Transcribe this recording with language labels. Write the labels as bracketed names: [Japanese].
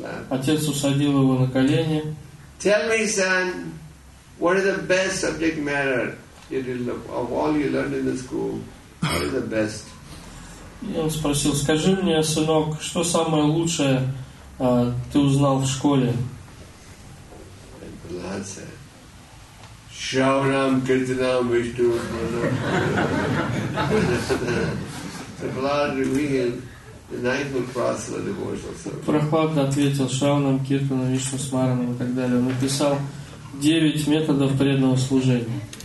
[Russian] Отец усадил его на колени. [English] Tell me, son, what is the best subject matter? Of all you learned in the school, what is the best? [Russian] И он спросил: «Скажи мне, сынок, что самое лучшее ты узнал в школе?» [English] And Prahlad said, [Sanskrit] Shravanam, Kirtanam, Vishnu, Pranam. [English] Prahlad revealed the ninefold process of devotional service. [Russian] Прохлад ответил: [Sanskrit] Shravanam, Kirtanam, Vishnu, Smaranam [Russian] и так далее. Он написал 9 методов преданного служения.